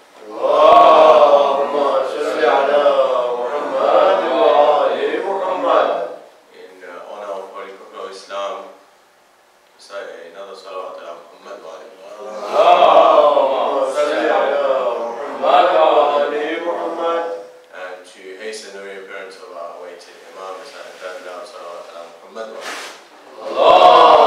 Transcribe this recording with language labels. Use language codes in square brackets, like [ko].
[ar] اللهم صل على محمد وعلى محمد [en] in honor of Holy Prophet of Islam say another [ar] صلوات على محمد وعلى اللهم صل على محمد وعلى محمد [en] and to hasten the reappearance of our awaited Imam Hassan Al-Askari [ar] اللهم صل على محمد وآل محمد.